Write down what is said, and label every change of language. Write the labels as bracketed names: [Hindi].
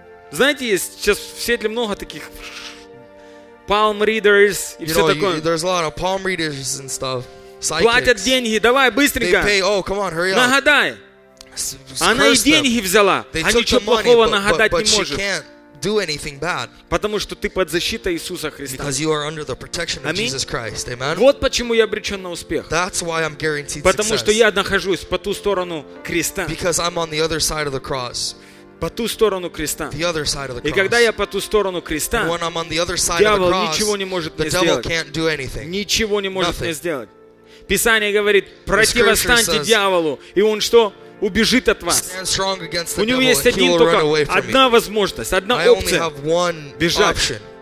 [Russian] Знаете, есть сейчас в Сиэтле много таких palm readers и все такое. [English] There's a lot of palm readers and stuff. [Russian] Платят деньги, давай быстренько. [English] They pay. Oh, come on, hurry up. [Russian] Нагадай. Она и деньги взяла. А ничего плохого нагадать не может. [English] Do anything bad. [Russian] Потому что ты под защитой Иисуса Христа. [English] Because you are under the protection of Jesus Christ. Amen. [Russian] Вот почему я обречен на успех. [English] That's why I'm guaranteed success. [Russian] Потому что я нахожусь по ту сторону креста. [English] Because I'm on the other side of the cross. [Russian] По ту сторону креста. [English] The other side of the [Russian] cross. И когда я по ту сторону креста, [English] when I'm on the other side of the cross, [Russian] ничего не может мне сделать. [English] The devil can't do anything. [Russian] Ничего не может мне сделать. Писание говорит: противостаньте дьяволу, и он что? Убежит от вас. У него есть один только, одна возможность, одна опция.